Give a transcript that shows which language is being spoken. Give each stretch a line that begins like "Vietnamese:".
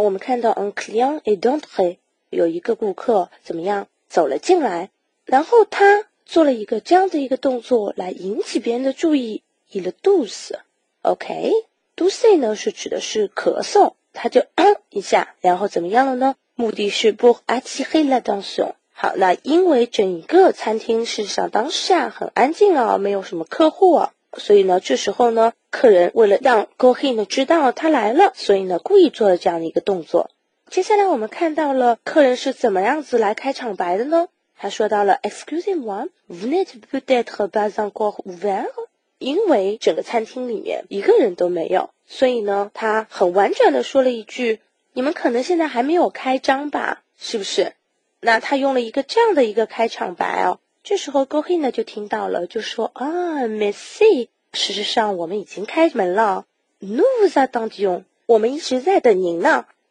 Chinese: 我们看到
French: un client est d'entrée，
Chinese: 有一个顾客怎么样走了进来，然后他做了一个这样的一个动作来引起别人的注意。
French: Il tousse.
Chinese: OK, tousse 呢是指的是咳嗽，他就一下，然后怎么样了呢？目的是
French: pour attirer l'attention。
Chinese: 好，那因为整个餐厅事实上当下很安静啊，没有什么客户啊，所以呢这时候呢客人为了让 Gohin 知道他来了，所以呢故意做了这样的一个动作。接下来我们看到了客人是怎么样子来开场白的呢？他说到了
French: Excuse me, vous n'êtes peut-être pas encore ouvert?
Chinese: 因为整个餐厅里面一个人都没有，所以呢他很婉转的说了一句，你们可能现在还没有开张吧，是不是？那他用了一个这样的一个开场白哦，这时候 Gohin 呢就听到了，就说啊 ，Merci， 事实上我们已经开门了 ，
French: Nous vous attendions，
Chinese: 我们一直在等您呢。